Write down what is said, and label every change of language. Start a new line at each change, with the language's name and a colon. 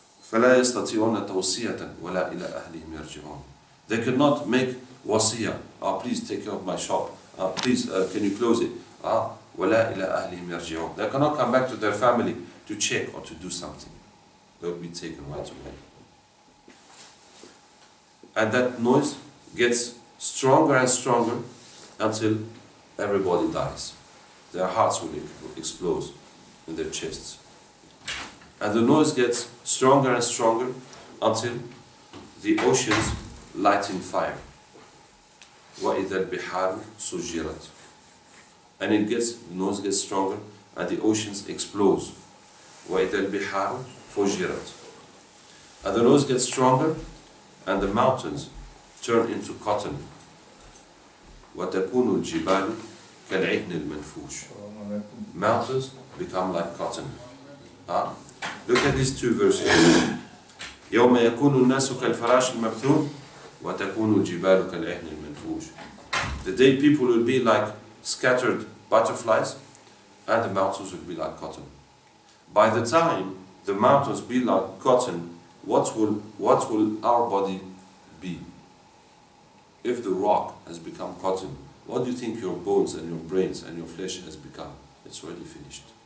Arabic: فَلَا يَسْتَطِيعُونَ تَوْصِيَةً وَلَا إِلَىٰ أَهْلِهِمْ يَرْجِعُونَ
English: They cannot make wasiyah. Please take care of my shop. Please, can you close it?
Arabic: وَلَا إِلَىٰ أَهْلِهِمْ يَرْجِعُونَ
English: They cannot come back to their family to check or to do something. They will be taken right away. And that noise gets stronger and stronger until everybody dies. Their hearts will explode in their chests. And the noise gets stronger and stronger until the oceans light in fire.
Arabic: وَإِذَا الْبِحَارُ سُجِّرَتْ
English: And it gets, the noise gets stronger and the oceans explode.
Arabic: وَإِذَا الْبِحَارُ فُجِّرَتْ
English: And the noise gets stronger and the mountains turn into cotton.
Arabic: وَتَكُونُ الْجِبَالُ كَالْعِهْنِ الْمَنْفُوشِ
English: Mountains become like cotton. Look at these two verses.
Arabic: يَوْمَ يَكُونُ النَّاسُ كَالْفَرَاشِ الْمَبْثُوثِ وَتَكُونُ الْجِبَالُ كَالْعِهْنِ الْمَنْفُوشِ
English: The day people will be like scattered butterflies, and the mountains will be like cotton. By the time the mountains be like cotton, what will our body be? If the rock has become cotton, what do you think your bones and your brains and your flesh has become? It's already finished.